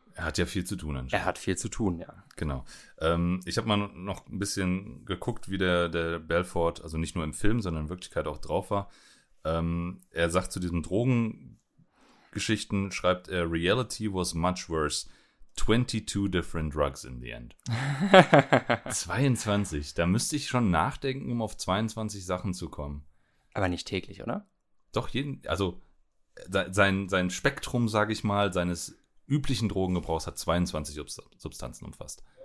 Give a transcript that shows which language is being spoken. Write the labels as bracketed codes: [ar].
[de] Er hat ja viel zu tun. Er hat viel zu tun, ja. Genau. Ich habe mal noch ein bisschen geguckt, wie der Belfort, also nicht nur im Film, sondern in Wirklichkeit auch drauf war. Er sagt zu diesen Drogengeschichten, schreibt er, [en] Reality was much worse. 22 different drugs in the end. [de] 22, da müsste ich schon nachdenken, um auf 22 Sachen zu kommen. Aber nicht täglich, oder? Doch, also sein Spektrum, sage ich mal, seines üblichen Drogengebrauchs hat 22 Substanzen umfasst.